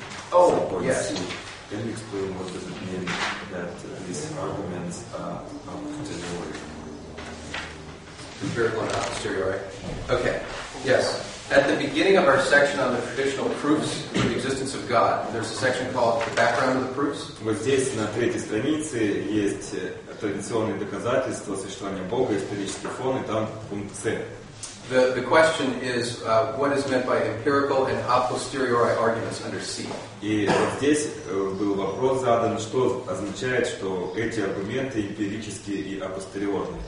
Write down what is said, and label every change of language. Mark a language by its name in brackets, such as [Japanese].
[English] Can you explain what does it mean that these arguments are posteriori? Empirical and a posteriori. Okay. Yes. At the beginning of our section on the traditional proofs for the existence of God, there's a section called the background of the proofs. [Russian] Вот здесь на третьей странице есть традиционные доказательства существования Бога, исторический фон, и там пункт C. [English] The question is what is meant by empirical and a posteriori arguments under C. [Russian] И вот здесь был вопрос задан, что означает, что эти аргументы эмпирические и апостериорные.